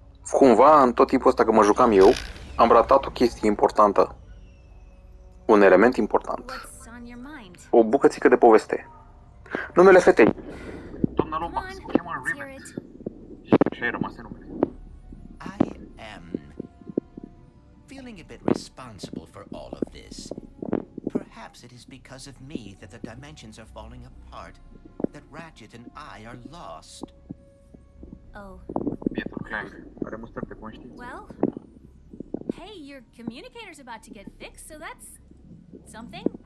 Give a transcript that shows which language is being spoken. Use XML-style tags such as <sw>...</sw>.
<ro>Cumva, în tot timpul ăsta că mă jucam eu, am ratat o chestie importantă. Un element important. O bucățică de poveste. Numele fetei. Doamna Lomba, se cheamă Rivet. Și ce-i rămas numele?</ro> <en>I am feeling a bit responsible for all of this. Perhaps it is because of me that the dimensions are falling apart, that Ratchet and I are lost. Oh.</en> <ro>Bietul Clank, are mustări de conștiință.</ro> <en>Well, hey, your communicator's about to get fixed, so that's something.</en>